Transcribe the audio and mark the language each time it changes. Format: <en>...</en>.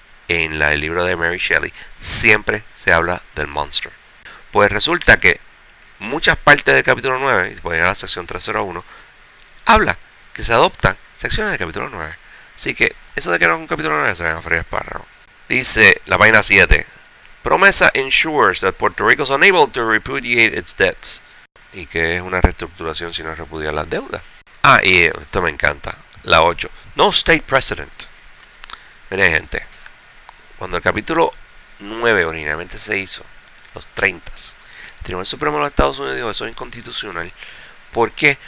<es>En el libro de Mary Shelley siempre se habla del monster. Pues resulta que muchas partes del capítulo 9, y se puede ir a la sección 301, habla que se adoptan secciones del capítulo 9. Así que eso de que era un capítulo 9 se ven a freír espárrago. Dice la página 7.</es> <en>Promesa ensures that Puerto Rico is unable to repudiate its debts.</en> <es>Y que es una reestructuración si no repudiar las deudas. Y esto me encanta. La 8.</es> <en>No state precedent.</en> <es>Miren, gente. Cuando el capítulo 9 originalmente se hizo, los 30, el Tribunal Supremo de los Estados Unidos dijo eso es inconstitucional. ¿Por qué?</es>